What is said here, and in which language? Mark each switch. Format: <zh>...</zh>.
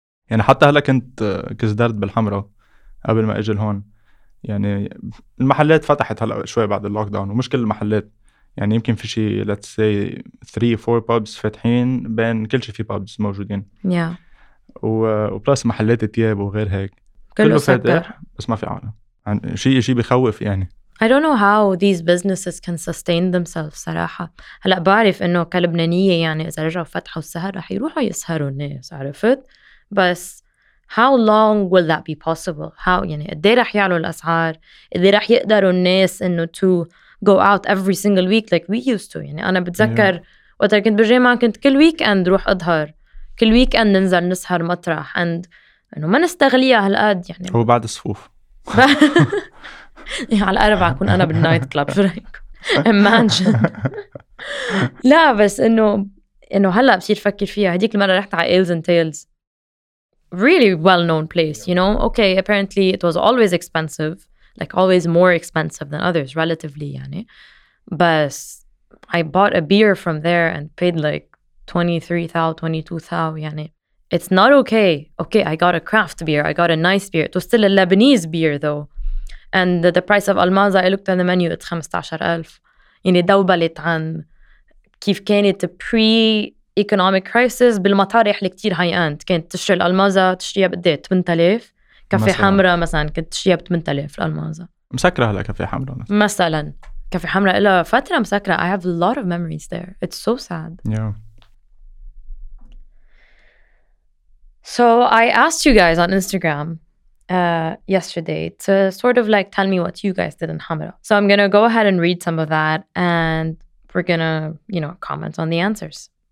<ar>يعني حتى هلا كنت كزدرت بالحمرة قبل ما اجي لهون يعني المحلات فتحت هلا شوي بعد اللوك داون ومش كل المحلات يعني يمكن في شيء</ar> <en>let's say 3-4 pubs</en> <ar>فاتحين بين كل شيء في pubs موجودين وبلس محلات التياب وغير هيك كله فاتح بس ما في عالم يعني شيء بيخوف يعني</ar> <en>I don't know how these businesses can sustain themselves</en> <ar>صراحة. هلا بعرف إنه كلبنانية يعني إذا رجعوا فتحوا السهر رح يروحوا يسهروا الناس عرفت. بس</ar> <en>how long will that be possible? How</en> <ar>يعني إدي رح يعلوا الأسعار إدي رح يقدروا الناس إنه</ar> <en>to go out every single week like we used to.</en> <ar>يعني أنا بتذكر وقت كنت بالجامعة كنت كل weekend روح أظهر كل weekend ننزل نسهر مطرح</ar> <en>and</en> <ar>إنه ما نستغليها هالقد يعني. هو بعد الصفوف. يعني على الأربعة أكون أنا بالنايت كلاب شو رأيك؟ إمانجن لا بس إنه هلأ بصير فكر فيها هديك المرة رحت على إيلز إن تيلز</ar> <en>really well known place you know okay apparently it was always expensive like always more expensive than others relatively</en> <ar>يعني</ar> <en>بس I bought a beer from there and paid like 23,000 22,000 يعني it's not okay okay I got a craft beer I got a nice beer it was still a Lebanese beer though And the price of almaz, I looked at the menu, it's 15,000.</en> <ar>يعني دوبلت عن كيف كانت</ar> <en>pre-economic crisis</en> <ar>بالمطارح اللي كتير</ar> <en>high-end.</en> <ar>كانت تشتري الألمازة تشتريها بدي 8,000. كافي حمرة مثلا كنت تشتريها ب 8,000 الألمازة. مسكرة هلا كافي حمرة مثلا. كافي حمرا إلا فترة مسكرة.</ar> <en>I have a lot of memories there. It's so sad. Yeah. So I asked you guys on Instagram yesterday to sort of like tell me what you guys did in Hamra. So I'm going to go ahead and read some of that and we're going to, you know, comment on the answers.</en>